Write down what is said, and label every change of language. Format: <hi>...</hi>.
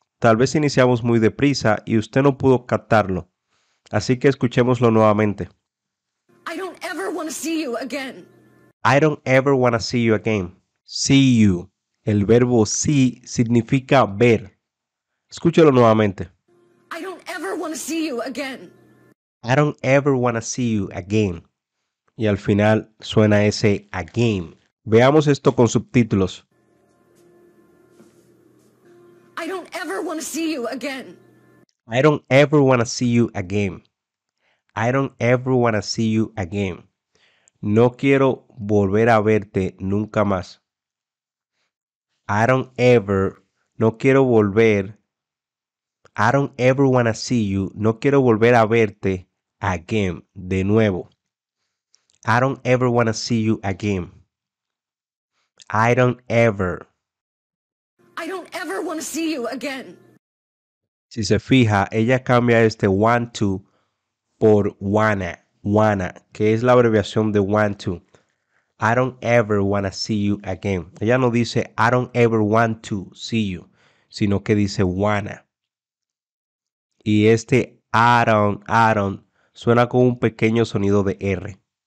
<es>Tal vez iniciamos muy deprisa y usted no pudo captarlo. Así que escuchémoslo nuevamente.</es> <en>I don't ever want to see you again. I don't ever want to see you again. See you.</en> <es>El verbo see significa ver. Escúchelo nuevamente.</es> <en>I don't ever want to see you again. I don't ever want to see you again.</en> <es>Y al final suena ese again. Veamos esto con subtítulos.</es> <en>I don't ever want to see you again. I don't ever want to see you again. I don't ever want to see you again.</en> <es>No quiero volver a verte nunca más.</es> <en>I don't ever,</en> <es>no quiero volver.</es> <en>I don't ever want to see you.</en> <es>No quiero volver a verte again, de nuevo.</es> <en>I don't ever want to see you again. I don't ever. I don't ever want to see you again.</en> <es>Si se fija, ella cambia este want to por wanna. Wanna, que es la abreviación de want to.</es> <en>I don't ever want to see you again.</en> <es>Ella no dice</es> <en>I don't ever want to see you,</en> <es>sino que dice wanna. Y este</es> <en>I don't</en> <es>suena con un pequeño sonido de R.</es>